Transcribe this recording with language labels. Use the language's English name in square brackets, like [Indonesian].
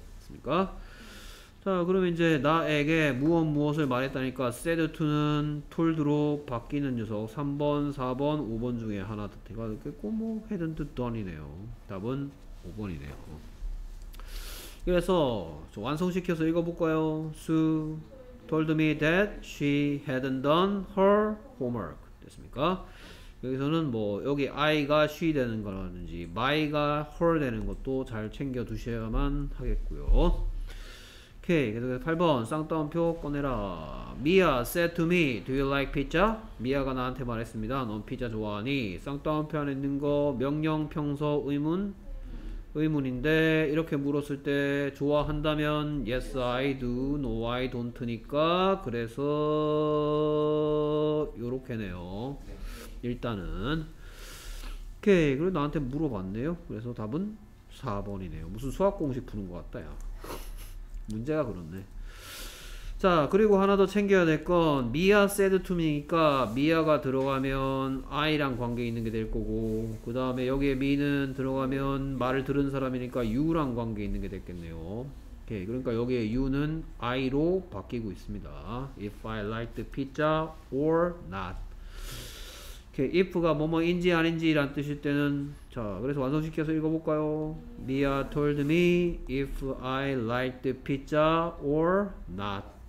[Korean] 됐습니까? 자 그러면 이제 나에게 무엇 무엇을 말했다니까 [English] said to [Korean] 는 told로 바뀌는 녀석 3번 4번 5번 중에 하나 제가 듣겠고 뭐 [English] hadn't to done [Korean] 이네요. 답은 5번이네요. 그래서 저 완성시켜서 읽어볼까요? [English] Sue told me that she hadn't done her homework. [Korean] 됐습니까? 여기서는 뭐 여기 I가 she 되는 거라든지 my가 her 되는 것도 잘 챙겨 두셔야만 하겠고요. 오케이 계속해서 8번 쌍따옴표 꺼내라. [English] Mia said to me do you like pizza? [Korean] Mia가 나한테 말했습니다. 넌 피자 좋아하니? 쌍따옴표 안에 있는 거 명령 평서 의문? 의문인데 이렇게 물었을 때 좋아한다면 [English] yes I do no I don't [Korean] 니까 그래서 요렇게네요. 일단은 오케이 그리고 나한테 물어봤네요. 그래서 답은 4번이네요. 무슨 수학공식 푸는 것 같다 야. 문제가 그렇네. 자 그리고 하나 더 챙겨야 될 건 [English] Mia said to me [Korean] 니까 Mia가 들어가면 I랑 관계 있는 게 될 거고 그 다음에 여기에 me는 들어가면 말을 들은 사람이니까 you랑 관계 있는 게 됐겠네요. 오케이 그러니까 여기에 you는 I로 바뀌고 있습니다. [English] If I liked pizza or not. [Korean] If가 뭐뭐인지 아닌지 라는 뜻일 때는 자 그래서 완성시켜서 읽어볼까요? [English] Mia told me if I liked pizza or not.